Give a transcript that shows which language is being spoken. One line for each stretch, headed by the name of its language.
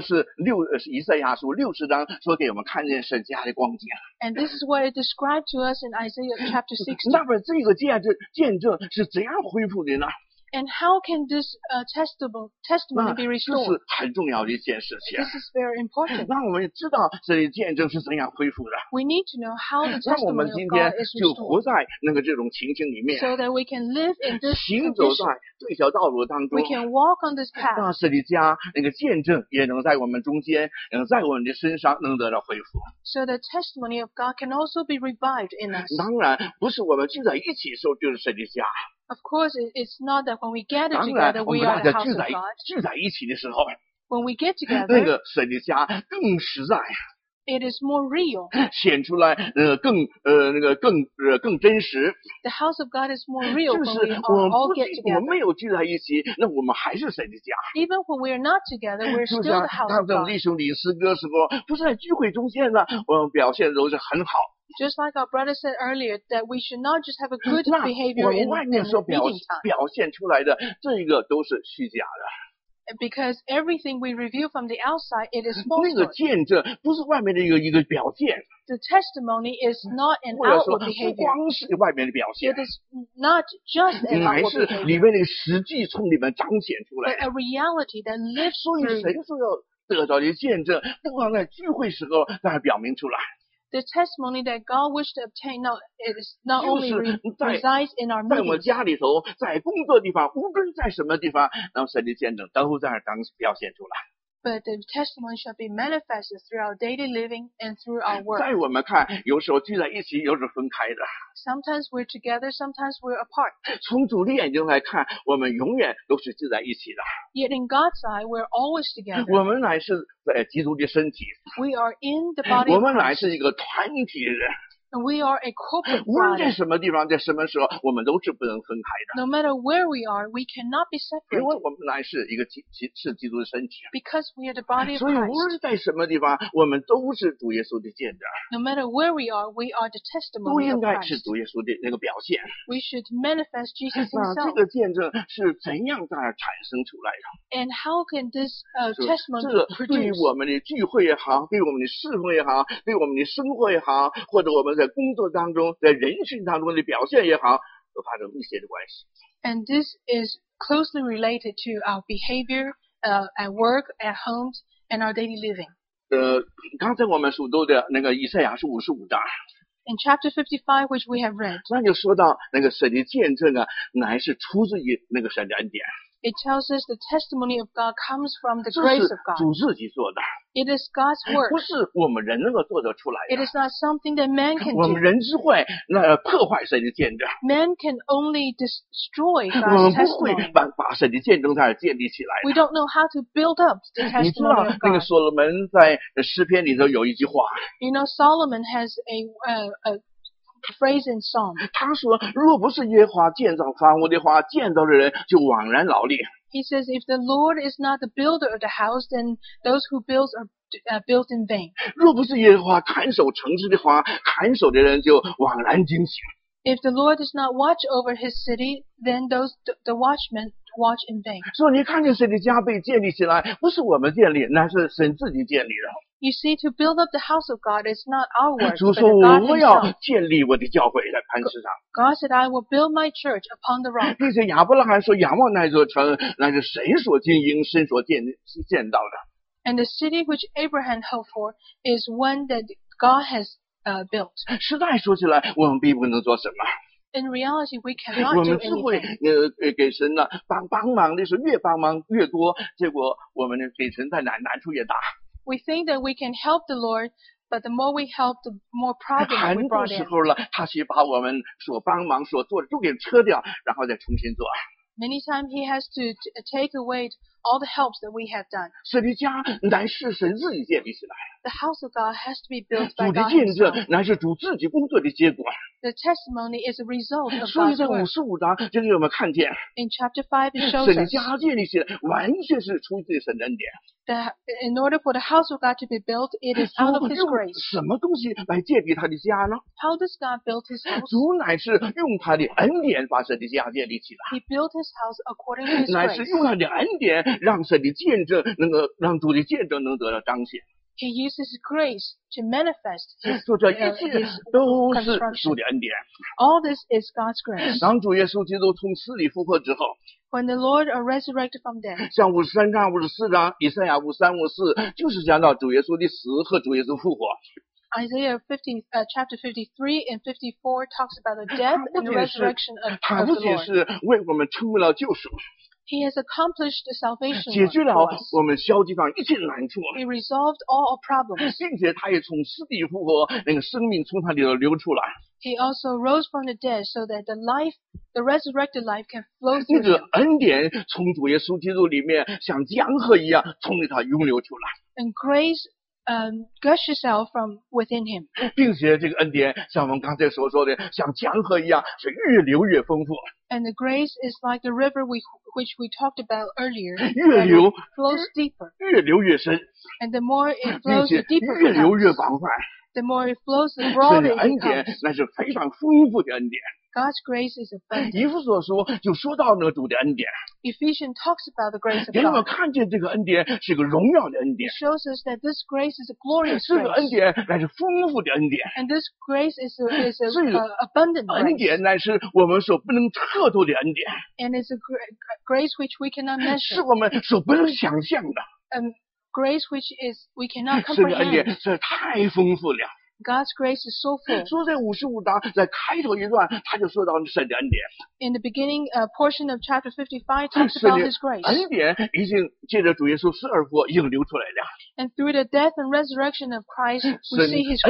Chinese: 这就是六以赛亚书六十章说给我们看见神家的光景。
English: And this is what it described to us in Isaiah chapter 60.
Chinese: 那么这个见证是怎样恢复的呢？
English: And how can this testimony be restored?
Chinese: 那这是很重要的一件事情。
English: This is very important.
Chinese: 让我们知道这些见证是怎样恢复的。
English: We need to know how the testimony of God is restored.
Chinese: 让我们今天就活在那个这种情形里面。
English: So that we can live in this condition.
Chinese: 行走在这条道路当中。
English: We can walk on this path.
Chinese: 让神的家那个见证也能在我们中间，能在我们的身上能得到恢复。
English: So the testimony of God can also be revived in us.
Chinese: 当然，不是我们聚在一起的时候就是神的家。
English: Of course, it's not that when we gather together, we are the house of God.
Chinese: 聚在一起的时候，
English: when we get together,
Chinese: 那个神的家更实在。
English: It is more real.
Chinese: 显出来更真实。
English: The house of God is more real when we all get together.
Chinese: 我们没有聚在一起，那我们还是神的家。
English: Even when we are not together, we're still the house of God.
Chinese: 就像当弟兄领诗歌时候，不是在聚会中间呢，我们表现都是很好。
English: Just like our brother said earlier, that we should not just have a good behavior in the meeting time.
Chinese: 表现出来的这个都是虚假的。
English: Because everything we reveal from the outside, it is false.
Chinese: 那个见证不是外面的一个表现。
English: The testimony is not an outward behavior.
Chinese: 或者说，不光是外面的表现。
English: It is not just an outward behavior.
Chinese: 乃是里面的实际从里面彰显出来。
English: But a reality that lives through.
Chinese: 所以谁说要得到的见证，不光在聚会时候那表明出来。
English: The testimony that God wished to obtain now is not only resides in our meetings.
Chinese: 在我们家里头，在工作地方，无论在什么地方，那么神的见证都在当表现出来。
English: But the testimony shall be manifested through our daily living and through our work.
Chinese: 在我们看，有时候聚在一起，有时候分开的。
English: Sometimes we're together, sometimes we're apart.
Chinese: 从主的眼睛来看，我们永远都是聚在一起的。
English: Yet in God's eye, we're always together.
Chinese: 我们乃是在基督的身体。
English: We are in the body of Christ.
Chinese: 我们乃是一个团体人。
English: We are a corporate body.
Chinese: 无论在什么地方，在什么时候，我们都是不能分开的。
English: No matter where we are, we cannot be separated.
Chinese: 因为我们乃是一个是基督的身体。
English: Because we are the body of Christ.
Chinese: 所以无论在什么地方，我们都是主耶稣的见证。
English: No matter where we are the testimony of Christ.
Chinese: 都应该是主耶稣的那个表现。
English: We should manifest Jesus Himself.
Chinese: 那这个见证是怎样在那产生出来的？
English: And how can this testimony produce?
Chinese: 这个对于我们的聚会也好，对我们的侍奉也好，对我们的生活也好，或者我们在工作当中，在人群当中的表现也好，都发生密切的关系。
English: And this is closely related to our behavior, at work, at home, and our daily living.
Chinese: 刚才我们所读的那个以赛亚书五十五章。
English: In chapter 55, which we have read.
Chinese: 那就说到那个神的见证啊，乃是出自于那个神的恩典。
English: It tells us the testimony of God comes from the grace of God.
Chinese: 这是主自己做的。
English: It is God's work.
Chinese: 不是我们人能够做得出来的。
English: It is not something that man can do.
Chinese: 我们人之会那破坏神的见证。
English: Man can only destroy God's testimony.
Chinese: 我们不会把神的见证在建立起来。
English: We don't know how to build up the testimony of God.
Chinese: 你知道那个所罗门在诗篇里头有一句话。
English: You know Solomon has a phrase in Psalm.
Chinese: 他说，若不是耶和华建造房屋的话，建造的人就枉然劳力。
English: He says, if the Lord is not the builder of the house, then those who build are built in vain.
Chinese: 若不是耶和华看守城市的话，看守的人就枉然惊醒。
English: If the Lord does not watch over his city, then those the watchmen watch in vain.
Chinese: 所以你看见神的家被建立起来，不是我们建立，乃是神自己建立的。
English: You see, to build up the house of God is not our work,
Chinese: 主说我要建立我的教会在磐石上。
English: God said, I will build my church upon the rock.
Chinese: 并且亚伯拉罕说仰望那座城，那是神所经营，神所建造的。
English: And the city which Abraham hoped for is one that God has built.
Chinese: 实在说起来，我们并不能做什么。
English: In reality, we cannot do anything.
Chinese: 我们智慧给神呢帮忙的是越帮忙越多，结果我们给神在难处越大。
English: We think that we can help the Lord, but the more we help, the more problems we brought in.
Chinese: 很多时候了，他去把我们所帮忙所做的都给撤掉，然后再重新做。
English: Many times he has to take away all the helps that we have done.
Chinese: 所以家乃是神自己建立起来。
English: The house of God has to be built by God.
Chinese: 主的见证乃是主自己工作的结果。
English: The testimony is a result of God's work.
Chinese: 所以在五十五章就是我们看见。
English: In chapter five, it shows us.
Chinese: 神家建立起来完全是出自神的恩典。
English: That in order for the house of God to be built, it is out of His grace.
Chinese: 主用什么东西来建立他的家呢？
English: How does God build His house?
Chinese: 主乃是用他的恩典把神的家建立起来。
English: He built His house according to His grace.
Chinese: 乃是用他的恩典让神的见证能够让主的见证能得到彰显。
English: He uses grace to manifest his,
Chinese: 做这一切都是主的恩典。
English: All this is God's grace.
Chinese: 当主耶稣基督从死里复活之后，
English: When the Lord are resurrected from death,
Chinese: 像五十三章、五十四章、以赛亚五三、五四，就是讲到主耶稣的死和主耶稣复活。
English: Isaiah 50, chapter 53 and 54 talks about the death and the resurrection of the Lord.
Chinese: 他不仅是为我们成为了救赎。
English: He has accomplished the salvation for us.
Chinese: 解决了我们消极上一切难处。
English: He resolved all our problems.
Chinese: 并且他也从死里复活，那个生命从他里头流出来。
English: He also rose from the dead so that the life, the resurrected life can flow through him.
Chinese: 那个恩典从主耶稣基督里面像江河一样从里头涌流出来。
English: And grace, gushes out from within him.
Chinese: 并且这个恩典像我们刚才所说的像江河一样是越流越丰富。
English: And the grace is like the river which we talked about earlier.
Chinese: 越流
English: flows deeper.
Chinese: 越流越深。
English: And the more it flows, the deeper.
Chinese: 越流越广泛。
English: The more it flows, the broader it becomes.
Chinese: 恩典那是非常丰富的恩典。
English: God's grace is abundant.
Chinese: 以弗所书就说到那个主的恩典。
English: Ephesians talks about the grace of God.
Chinese: 给我们看见这个恩典是个荣耀的恩典。
English: It shows us that this grace is a glorious grace.
Chinese: 这个恩典乃是丰富的恩典。
English: And this grace is a abundant grace.
Chinese: 恩典乃是我们所不能测度的恩典。
English: And it's a grace which we cannot measure.
Chinese: 是我们所不能想象的。
English: Grace which is we cannot comprehend.
Chinese: 这个恩典是太丰富了。
English: God's grace is so full.
Chinese: 说在五十五章在开头一段，他就说到神的恩典。
English: In the beginning, a portion of chapter 55 talks about His grace.
Chinese: 恩典已经借着主耶稣死而复活已经流出来了。
English: And through the death and resurrection of Christ, we see His grace.